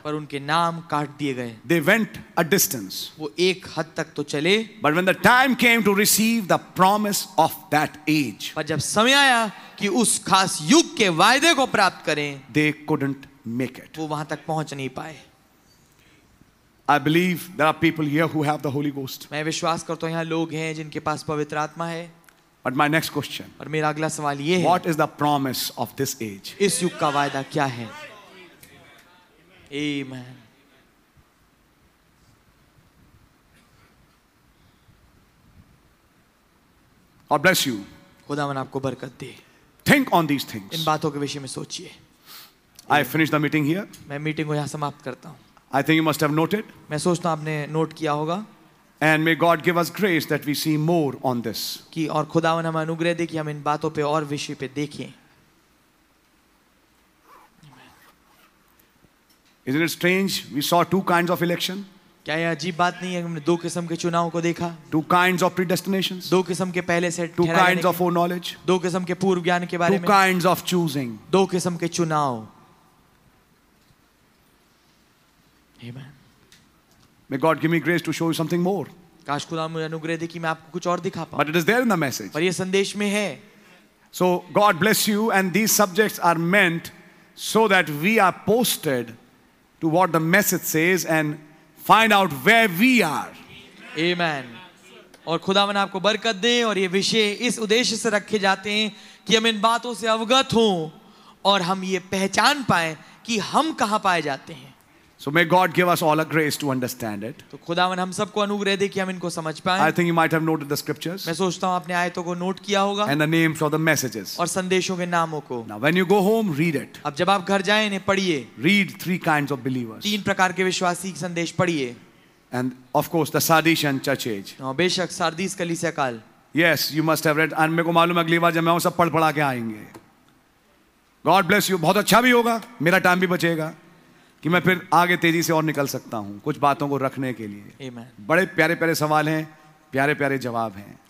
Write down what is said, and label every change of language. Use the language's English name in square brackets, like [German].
[Hindi] पर उनके नाम काट दिए गए। [English] they went a distance, [Hindi] वो एक हद तक तो चले, [English] but when the time came to receive the promise of that age, [Hindi] पर जब समय आया कि उस खास युग के वायदे को प्राप्त करें, [English] they couldn't make it, [Hindi] वो वहां तक पहुंच नहीं पाए। [English] I believe there are people here who have the Holy Ghost. [Hindi] मैं विश्वास करता हूँ यहाँ लोग हैं जिनके पास पवित्र आत्मा है। [English] But my next question. [Hindi] और मेरा अगला सवाल ये है। [English] What is the promise of this age? [Hindi] इस युग का वायदा क्या है? Amen. [English] God bless you. [Hindi] खुदा मन आपको बरकत दे। [English] Think on these things. [Hindi] इन बातों के विषय में सोचिए। [English] I finish the meeting here. [Hindi] मैं मीटिंग को यहाँ समाप्त करता हूँ। [English] I think you must have noted. [Hindi] मैं सोचता हूँ आपने नोट किया होगा। [English] And may God give us grace that we see more on this. [Hindi] कि और खुदावन हमें अनुग्रह दे कि हम इन बातों पे और विषय पे देखें। [English] Isn't it strange? We saw two kinds of election. [Hindi] क्या यह अजीब बात नहीं है हमने दो किस्म के चुनावों को देखा? [English] Two kinds of predestinations. [Hindi] दो किस्म के पहले से ठहराने के। [English] Two kinds of foreknowledge. [Hindi] दो किस्म के पूर्व ज्ञान के बारे में। [English] Two kinds of choosing. [Hindi] दो किस्म के चुनाव। [English] May God give me grace to show you something more. [Hindi] काश खुदा मुझे अनुग्रह दे कि मैं आपको कुछ और दिखा पाऊं। [English] But it is there in the message. [Hindi] पर ये संदेश में है। [English] So God bless you, and these subjects are meant so that we are posted to what the message says and find out where we are. Amen. [Hindi] और खुदा मन आपको बरकत दे, और ये विषय इस उद्देश्य से रखे जाते हैं कि हम इन बातों से अवगत हों और हम ये पहचान पाएं कि हम कहां पाए जाते हैं। [English] So may God give us all a grace to understand it. [Hindi] तो खुदावन हम सबको अनुग्रह दे कि हम इनको समझ पाएं। [English] I think you might have noted the scriptures. [Hindi] मैं सोचता हूं आपने आयतों को नोट किया होगा। [English] And the names of the messages. [Hindi] और संदेशों के नामों को। [English] Now when you go home, read it. [Hindi] अब जब आप घर जाएं इन्हें पढ़िए। [English] Read three kinds of believers. [Hindi] तीन प्रकार के विश्वासी संदेश पढ़िए। [English] And of course the Sardisian church age. [Hindi] और बेशक सार्दिस कलीसिया काल। [English] Yes, you must have read. [Hindi] And मेरे को मालूम अगली बार जब मैं सब पढ़ पढ़ा के आएंगे। [English] God bless you. [Hindi] बहुत अच्छा भी होगा, मेरा टाइम भी बचेगा कि मैं फिर आगे तेजी से और निकल सकता हूं कुछ बातों को रखने के लिए। [English] Amen. [Hindi] बड़े प्यारे प्यारे सवाल हैं, प्यारे प्यारे जवाब हैं।